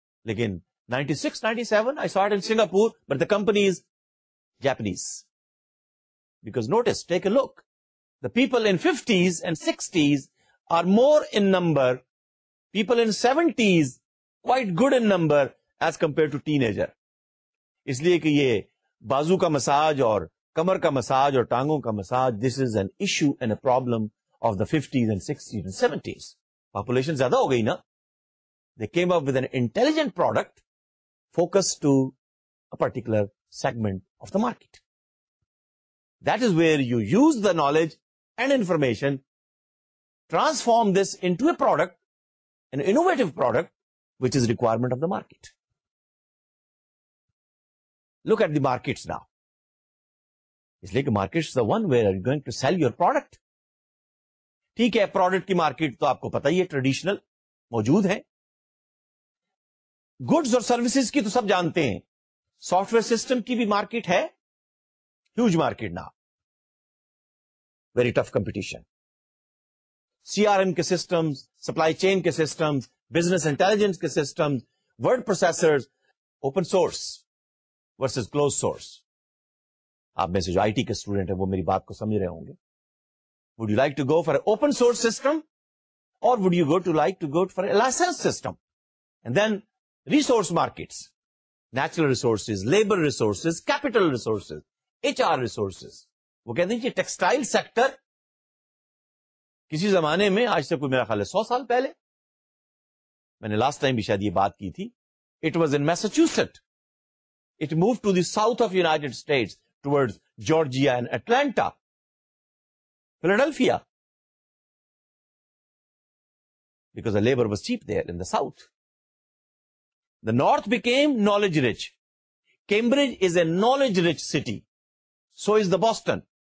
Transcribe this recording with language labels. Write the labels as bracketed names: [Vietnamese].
[Urdu] لیکن [English] 96-97 I saw it in Singapore but the company is Japanese because notice take a look the people in 50s and 60s are more in number people in 70s quite good in number as compared to teenager [Urdu] اس لیے کہ یہ بازو کا massage [English] اور کمر کا مساج اور ٹانگوں کا massage this is an issue and a problem of the 50s and 60s and 70s. [Urdu] Population zyada ho gayi na. [English] They came up with an intelligent product focused to a particular segment of the market. That is where you use the knowledge and information, transform this into a product, an innovative product, which is requirement of the market. Look at the markets now. It's like markets is the one where you're going to sell your product. [Urdu] ٹھیک ہے product کی market تو آپ کو پتا ہی ہے traditional موجود ہے گڈز اور سروسز کی تو سب جانتے ہیں سافٹ ویئر سسٹم کی بھی مارکیٹ ہے ہیوج مارکیٹ نا very tough competition C R M کے سسٹمز سپلائی چین کے سسٹمز بزنس انٹیلیجنس کے systems word processors open source versus close source آپ میں سے جو آئی ٹی کے اسٹوڈنٹ ہیں وہ میری بات کو سمجھ رہے ہوں گے [English] Would you like to go for an open source system or would you go to like to go for a licensed system? And then resource markets, natural resources, labor resources, capital resources, HR resources. [Urdu] وہ کہتے ہیں کہ textile sector کسی زمانے میں آج سے کوئی میرا خیال ہے 100 سال پہلے میں نے لاسٹ ٹائم بھی شاید یہ بات کی تھی [English] It was in Massachusetts. It moved to the south of United States towards Georgia and Atlanta, Philadelphia, because the labor was cheap there in the south. The north became knowledge rich. Cambridge is a knowledge rich city. So is the Boston.